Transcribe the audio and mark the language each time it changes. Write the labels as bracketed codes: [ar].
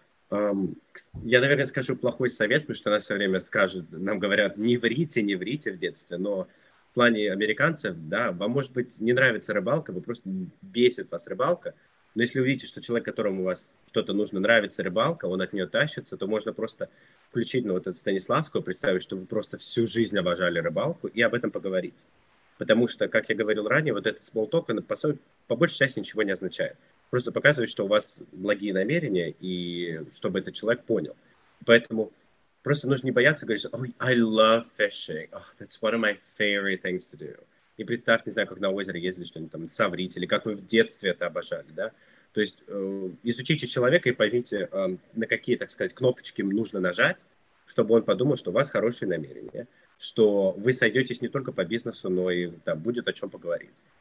[ru] Я, наверное, скажу плохой совет, потому что нас все время скажут, нам говорят, не врите в детстве, но в плане американцев, да, вам, может быть, не нравится рыбалка, вы просто бесит вас рыбалка, но если увидите, что человек, которому у вас что-то нужно, нравится рыбалка, он от нее тащится, то можно просто включить, ну, вот эту Станиславскую, представить, что вы просто всю жизнь обожали рыбалку, и об этом поговорить. Потому что, как я говорил ранее, вот этот small talk, он, по большей части ничего не означает. Просто показывает, что у вас благие намерения, и чтобы этот человек понял. Поэтому просто нужно не бояться говорить, что [en] oh, I love fishing. Oh, that's one of my favorite things to do. [ru] И представьте, не знаю, как на озеро ездили, что-нибудь там, соврите, или как вы в детстве это обожали, да? То есть изучите человека и поймите, на какие, так сказать, кнопочки нужно нажать, чтобы он подумал, что у вас хорошие намерения, что вы сойдетесь не только по бизнесу, но и там будет о чем поговорить.